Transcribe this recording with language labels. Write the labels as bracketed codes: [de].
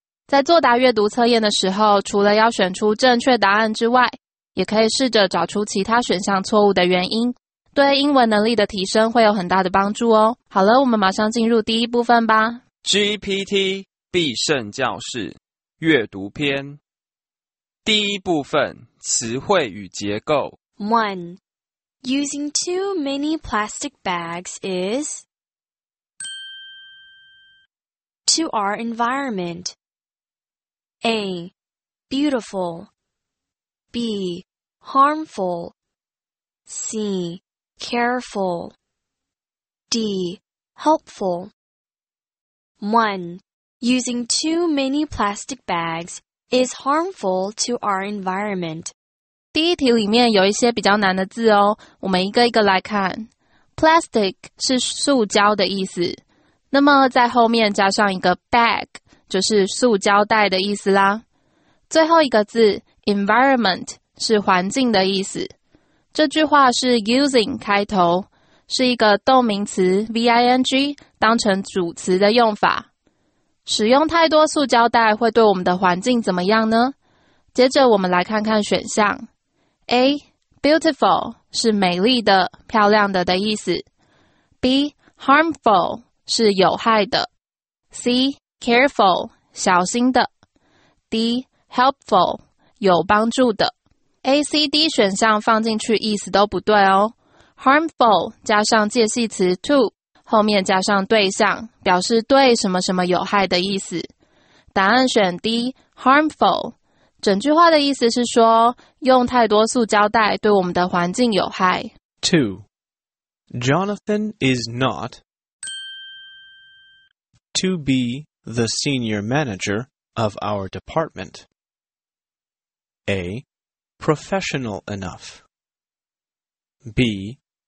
[zh] 在作答阅读测验的时候，除了要选出正确答案之外，也可以试着找出其他选项错误的原因，对英文能力的提升会有很大的帮助哦。好了，我们马上进入第一部分吧。 GPT 毕胜教室阅读篇。第一部分，词汇与结构。 [en] 1. Using too many plastic bags is to our environment. A. Beautiful. B. Harmful. C. Careful. D. Helpful. 1. Using too many plastic bags is harmful to our environment. [zh] 第一题里面有一些比较难的字哦，我们一个一个来看。 Plastic 是塑胶的意思，那么在后面加上一个 bag 就是塑胶袋的意思啦。最后一个字 environment 是环境的意思。这句话是 using 开头，是一个动名词 ving 当成主词的用法。使用太多塑胶袋会对我们的环境怎么样呢？接着我们来看看选项。A. Beautiful 是美丽的、漂亮的的意思。B. Harmful 是有害的。C. Careful 小心的。D. Helpful 有帮助的。 A、C、D 选项放进去意思都不对哦。Harmful 加上介系词 to后面加上对象，表示对什么什么有害的意思。答案选 D, harmful. 整句话的意思是说，用太多塑胶袋对我们的环境有害。 [en] 2. Jonathan is not to be the senior manager of our department. A. Professional enough. B.